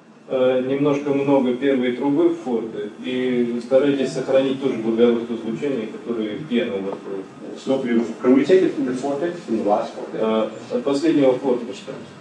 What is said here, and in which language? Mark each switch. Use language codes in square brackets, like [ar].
[ru] Немножко много первой трубы в форте, и старайтесь сохранить тоже бубенчатое звучание, которое пьяно в [en] форте. So beautiful. Can we take it from the forte, from the last forte? [ru] От последнего форте, что ли?